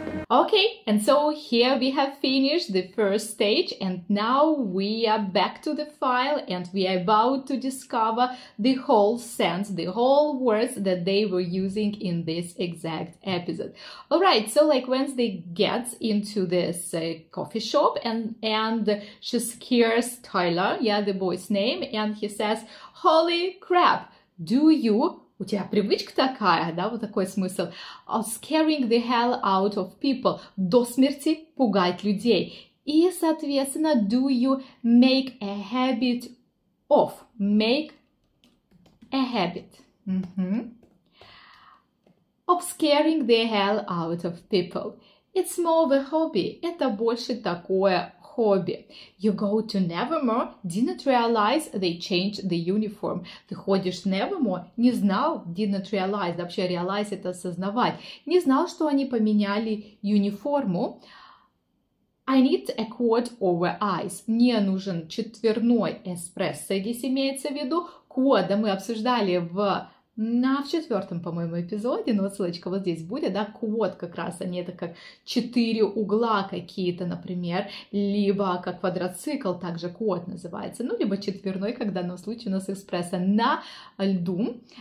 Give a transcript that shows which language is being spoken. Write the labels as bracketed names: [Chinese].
[English] Okay, and so here we have finished the first stage, and now we are back to the file and we are about to discover the whole sense, the whole words that they were using in this exact episode. All right, so like Wednesday gets into this coffee shop and she scares Tyler, yeah, the boy's name, and he says, "Holy crap, do you... [Russian] У тебя привычка такая, да, вот такой смысл. [English] Scaring the hell out of people. [Russian] До смерти пугать людей. И, соответственно, [English] do you make a habit of? Make a habit. Of scaring the hell out of people. It's more of a hobby. [Russian] Это больше такое хобби. [English] You go to Nevermore, didn't realize they changed the uniform. [Russian] Ты ходишь в Nevermore, не знал, [English] didn't realize, [Russian] вообще realize это осознавать. Не знал, что они поменяли униформу. [English] I need a quart over ice. [Russian] Мне нужен четверной эспрессо, здесь имеется в виду. Quart, да, мы обсуждали в На четвертом, по-моему, эпизоде, но вот ссылочка вот здесь будет, да, квот как раз, они это как четыре угла какие-то, например, либо как квадроцикл, также квот называется, ну, либо четверной, как в данном случае у нас экспресса на льду.